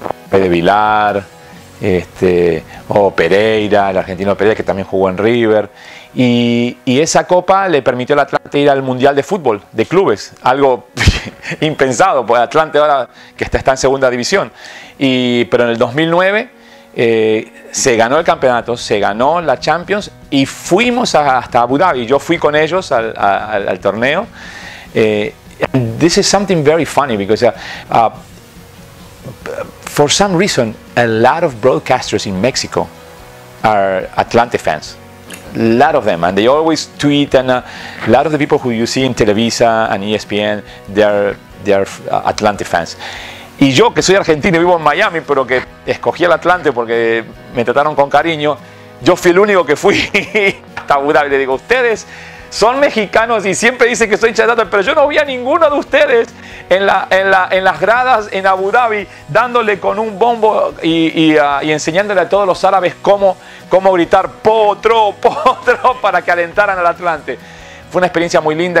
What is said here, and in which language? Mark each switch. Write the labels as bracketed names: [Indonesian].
[Spanish] Pedro Vilar, Pereira, el argentino Pereira, que también jugó en River, y esa copa le permitió al Atlante ir al Mundial de Fútbol de Clubes, algo impensado, porque Atlante ahora que está en segunda división, pero en el 2009 se ganó el campeonato, se ganó la Champions, y fuimos hasta Abu Dhabi. Yo fui con ellos al torneo. [English] This is something very funny, because for some reason, a lot of broadcasters in Mexico are Atlante fans. A lot of them, and they always tweet. And a lot of the people who you see in Televisa and ESPN, they are Atlante fans. [Spanish] Y yo, que soy argentino y vivo en Miami, pero que escogí el Atlante porque me trataron con cariño, yo fui el único que fui hasta Abu Dhabi. Le digo, ustedes son mexicanos y siempre dicen que soy hincha de Atlas, pero yo no vi a ninguno de ustedes en las gradas en Abu Dhabi dándole con un bombo y enseñándole a todos los árabes cómo gritar potro, potro, para que alentaran al Atlante. Fue una experiencia muy linda.